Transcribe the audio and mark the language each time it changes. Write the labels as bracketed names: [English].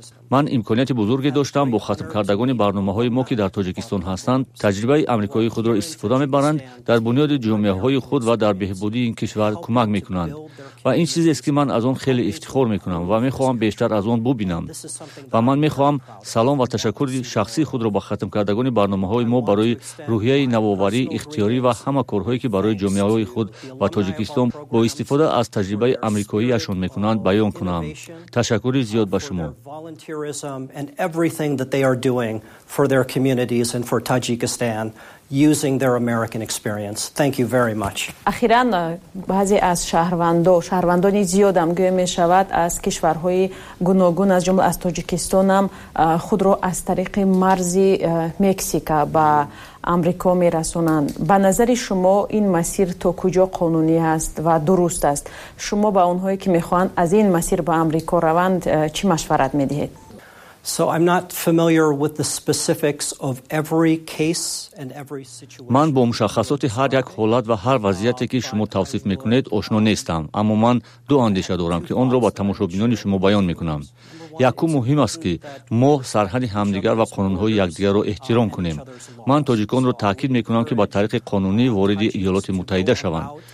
[Persian] من امکانیت بزرگی داشتم با ختم کردگان برنامه های ما که در تاجیکستان هستند تجربه امریکایی خود را استفاده می برند، در بنیاد جامعه های خود و در بهبودی این کشور کمک می کنند و این چیزی است که من از آن خیلی افتخار می کنم و می خواهم بیشتر از آن ببینم و من می خواهم سلام و تشکر شخصی خود را به ختم کردگان برنامه های ما برای روحیه نوآوری اختیاری و همه کارهایی که برای جامعه های خود و تاجیکستان با استفاده از تجربه امریکایی اشون می کنند بیان کنم. تشکر زیاد به شما. [English] And everything that they are doing for their communities and for Tajikistan using their American experience. Thank you very much. [Persian] اخیراً بعضی از شهروندانی زیادم گویا میشود از کشورهای گوناگون از جمله از تاجیکستان هم خود را از طریق مرز مکزیکا با آمریکا میرسونند. به نظر شما این مسیر تا کجا قانونی است و درست است؟ شما به اونهایی که میخوان از این مسیر به آمریکا روند چی مشورت میدهید؟ [English] So I'm not familiar with the specifics of every case and every situation. [Persian] من با مشخصات هر یک حالت و هر وضعیتی که شما توصیف میکنید آشنا نیستم، اما من دو اندیشه دارم که اون را با تماشاگران شما بیان میکنم. یکو مهم است که ما سرحد همدیگر و قانونهای یکدیگر را احترام کنیم. من تاجیکان را تاکید میکنم که با طریق قانونی وارد ایالات متحده شوند.